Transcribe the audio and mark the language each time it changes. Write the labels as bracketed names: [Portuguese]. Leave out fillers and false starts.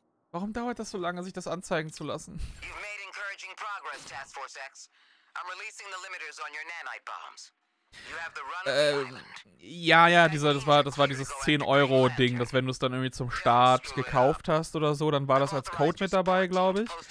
[German] Warum dauert das so lange, sich das anzeigen zu lassen? [English] You've made encouraging progress, Task Force X. I'm releasing the limiters on your nanite bombs. You have the run of the island. [German] Ja, das war dieses 10-Euro-Ding, dass wenn du es dann irgendwie zum Start gekauft hast oder so, dann war das als Code mit dabei, glaube ich.